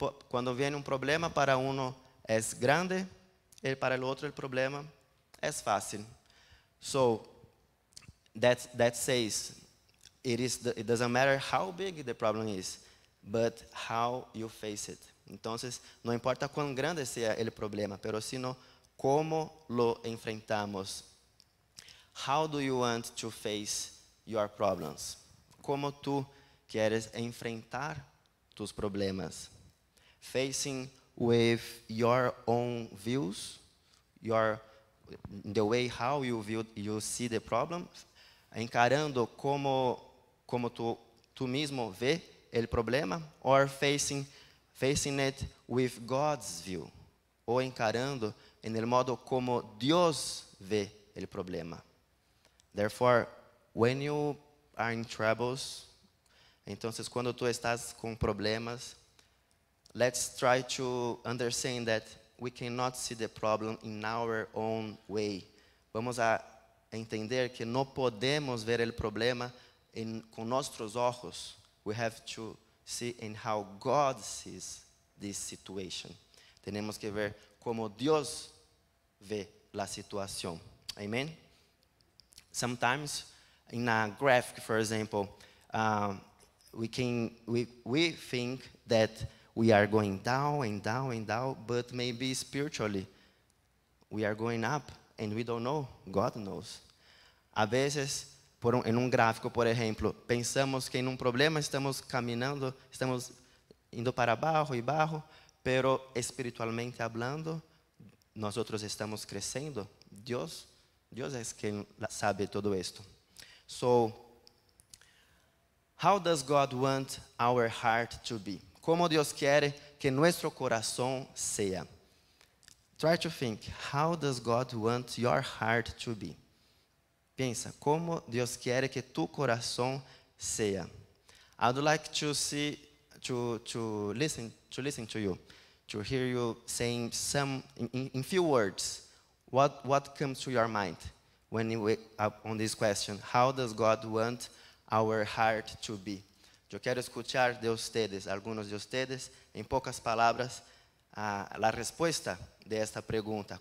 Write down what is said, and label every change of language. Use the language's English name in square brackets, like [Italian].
[Spanish] Cuando viene un problema, para uno es grande, y para el otro el problema es fácil. [English] So, that says, it doesn't matter how big the problem is, but how you face it. [Spanish] Entonces, no importa cuán grande sea el problema, pero sino cómo lo enfrentamos. [English] How do you want to face your problems? [Spanish] Como tú quieres enfrentar tus problemas? [English] Facing with your own views, the way how you see the problem, [Spanish] encarando como tú mismo ve el problema, [English] or facing it with God's view, [Spanish] o encarando en el modo como Dios ve el problema. [English] Therefore, when you are in troubles, [Spanish] entonces cuando tú estás con problemas, [English] let's try to understand that we cannot see the problem in our own way. [Spanish] Vamos a entender que no podemos ver el problema con nuestros ojos. [English] We have to see in how God sees this situation. [Spanish] Tenemos que ver como Dios ve la situación. [English] Amen? Sometimes, in a graph, for example, we think that we are going down and down and down, but maybe spiritually we are going up and we don't know. God knows. [Spanish] A veces, en un gráfico, por ejemplo, pensamos que en un problema estamos caminando, estamos indo para abajo y bajo, pero espiritualmente hablando, nosotros estamos creciendo. Dios es quien sabe todo esto. [English] So, how does God want our heart to be? [Spanish] Como Dios quiere que nuestro corazón sea? [English] Try to think, how does God want your heart to be? [Spanish] Pensa, como Dios quiere que tu corazón sea? [English] I'd like to hear you saying some, in few words, what comes to your mind when you wake up on this question, how does God want our heart to be? [Spanish] Yo quiero escuchar de ustedes, algunos de ustedes, en pocas palabras, la respuesta de esta pregunta.